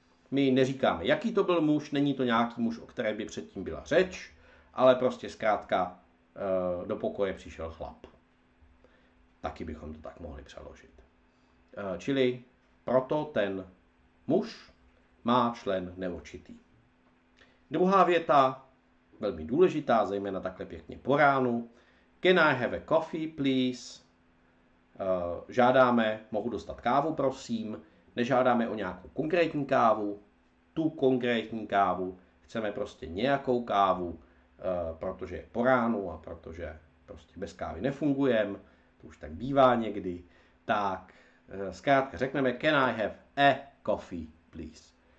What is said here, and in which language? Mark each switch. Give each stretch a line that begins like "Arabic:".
Czech: My neříkáme, jaký to byl muž, není to nějaký muž, o které by předtím byla řeč, ale prostě zkrátka do pokoje přišel chlap. Taky bychom to tak mohli přeložit. Čili proto ten muž má člen neurčitý. Druhá věta, velmi důležitá, zejména takhle pěkně po ránu.
English: Can I have a coffee, please?
Czech: Žádáme, mohu dostat kávu, prosím. Nežádáme o nějakou konkrétní kávu, tu konkrétní kávu. Chceme prostě nějakou kávu, protože je po ránu a protože prostě bez kávy nefungujeme. To už tak bývá někdy. Tak zkrátka řekneme,
English: can I have a coffee, please?